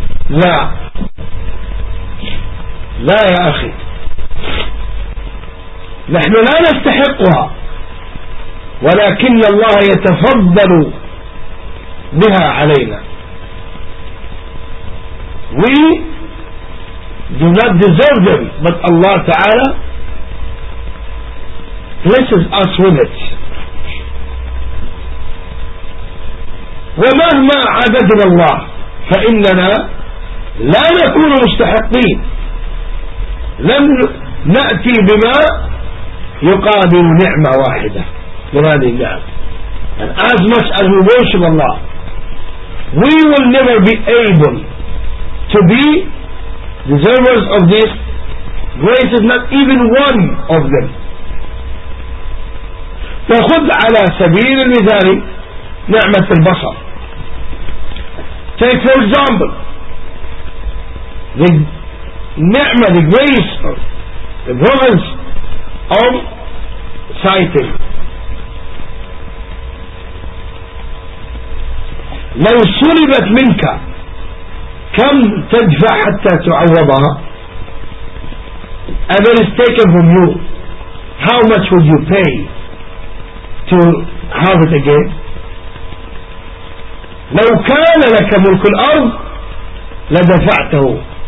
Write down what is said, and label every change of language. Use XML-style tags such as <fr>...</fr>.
<ar>لا لا يا أخي, نحن لا نستحقها, ولكن الله يتفضل بها علينا.</ar> <en>We do not deserve them, but Allah Ta'ala blesses us with it.</en> <ar>ومهما عبدنا الله فإننا لا نكون مستحقين, لم نأتي بما يقابل نعمة واحدة من هذه النعم.</ar> <en>And as much as we worship Allah, we will never be able to be deservers of this grace, is not even one of them.</en> <ar>فخذ على سبيل المثال نعمة البصر.</ar> <en>Take for example the ni'mah, the grace, the privilege of sighting.</en> <ar>لو سلبت منك كم تدفع حتى تعوضها؟</ar> <en>If it is taken from you, how much would you pay to have it again?</en> <ar>لو كان لك ملك الأرض لدفعته.</ar>